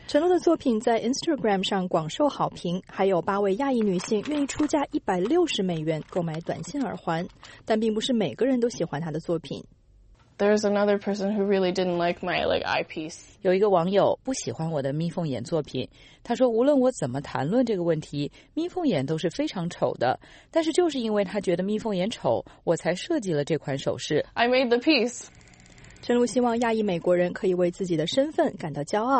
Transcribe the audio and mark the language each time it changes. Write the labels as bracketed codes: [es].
[zh] 陈露的作品在 Instagram 上广受好评，还有八位亚裔女性愿意出价$160购买短线耳环，但并不是每个人都喜欢她的作品。 [en] There's another person who really didn't like my like eyepiece. [zh] 有一个网友不喜欢我的眯缝眼作品，他说无论我怎么谈论这个问题，眯缝眼都是非常丑的。但是就是因为他觉得眯缝眼丑，我才设计了这款首饰。 [en] I made the piece. [zh] 陈露希望亚裔美国人可以为自己的身份感到骄傲。